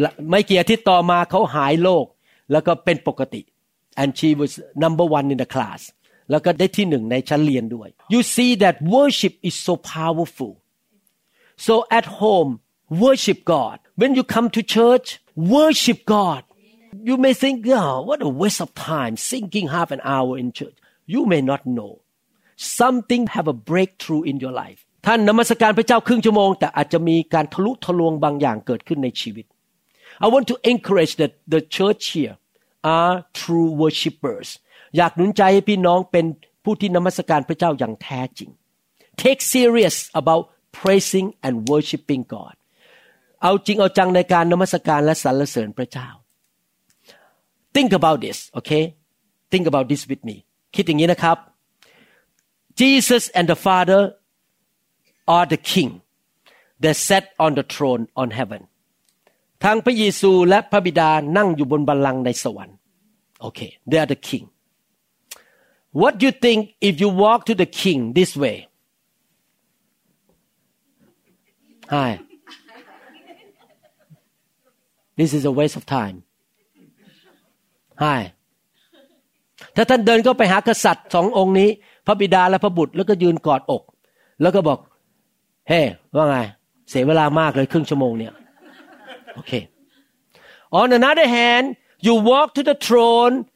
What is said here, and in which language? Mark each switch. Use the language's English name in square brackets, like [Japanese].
[Thai] ไม่กี่อาทิตย์ต่อมาเขาหายโรคแล้วก็เป็นปกติ [English] and she was number one in the class [Thai] แล้วก็ได้ที่หนึ่งในชั้นเรียนด้วย [English] You see that worship is so powerful So at home worship God When you come to church worship God You may think oh, what a waste of time singing half an hour in churchYou may not know. Something have a breakthrough in your life. [Thai] ท่านนมัสการพระเจ้าครึ่งชั่วโมงแต่อาจจะมีการทะลุทะลวงบางอย่างเกิดขึ้นในชีวิต [English] I want to encourage that the church here are true worshipers. [Thai] อยากหนุนใจให้พี่น้องเป็นผู้ที่นมัสการพระเจ้าอย่างแท้จริง [English] Take serious about praising and worshiping God. [Thai] เอาจริงเอาจังในการนมัสการและสรรเสริญพระเจ้า [English] Think about this, okay? Think about this with me. [Thai] คิดอย่างนี้นะครับ [English] Jesus and the Father are the King. They sat on the throne on heaven. [Thai] ทั้งพระเยซูและพระบิดานั่งอยู่บนบัลลังก์ในสวรรค์ [English] Okay, they are the King. What do you think if you walk to the King this way? Hi. This is a waste of time. Hi. [Thai] ถ้าท่านเดินเข้าไปหากษัตริย์สององค์นี้พระบิดาและพระบุตรแล้วก็ยืนกอดอกแล้วก็บอกเฮ้ ว่าไงเสียเวลามากเลยครึ่งชั่วโมงเนี่ยโอเค [English] On another hand you walk to the throne